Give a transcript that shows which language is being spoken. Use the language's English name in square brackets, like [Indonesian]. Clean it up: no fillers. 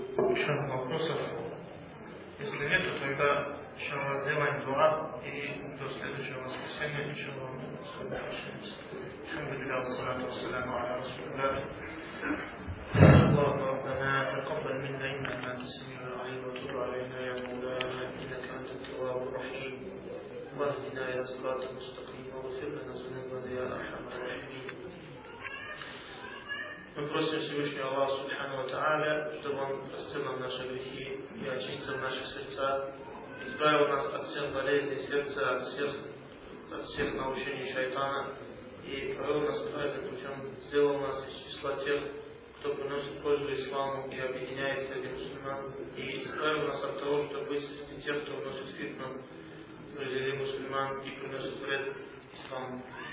[Russian] Еще вопросов? Если нет, то тогда еще раз сделаем дуа и до следующего воскресенья еще вам сообщаемся. [Arabic] Хамдулиллях, ассаляту ассаляму аля расулиллях. ربنا تقبل منا إنك أنت السميع العليم وتب علينا يا مولانا إنك أنت التواب الرحيم واهدنا إلى الصراط المستقيم واغفر لنا ذنوبنا يا أرحم الراحمين. [Russian] Мы просим Всевышнего Аллаха Субхана ва Тааля, чтобы Он простил нам наши грехи и очистил наши сердца, избавил нас от всех болезней сердца, от всех научений шайтана и провел нас правильным путем, сделал нас из числа тех, кто приносит пользу исламу и объединяет среди мусульман, и избавил нас от того, чтобы быть среди тех, кто вносит фитну в разделе мусульман и приносит вред исламу.